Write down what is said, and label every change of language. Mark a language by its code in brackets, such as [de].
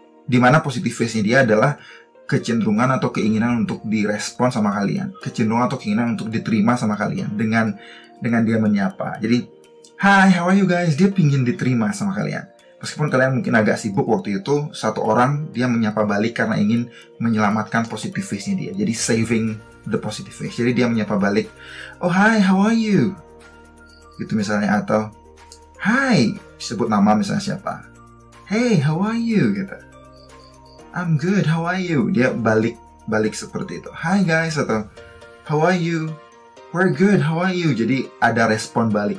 [id] Dimana positive face-nya dia adalah kecenderungan atau keinginan untuk direspon sama kalian, kecenderungan atau keinginan untuk diterima sama kalian dengan dia menyapa. Jadi, [en] hi, how are you guys? [id] Dia pingin diterima sama kalian. Meskipun kalian mungkin agak sibuk waktu itu, satu orang dia menyapa balik karena ingin menyelamatkan positive face-nya dia. Jadi, [en] saving the positive face. [id] Jadi, dia menyapa balik, [en] oh, hi, how are you? [id] Gitu misalnya, atau, [en] hi, [id] sebut nama misalnya siapa. [en] Hey, how are you? [id] Gitu. [en] I'm good, how are you? [id] Dia balik seperti itu. [en] Hi guys, [id] atau [en] how are you? We're good, how are you? [id] Jadi ada respon balik.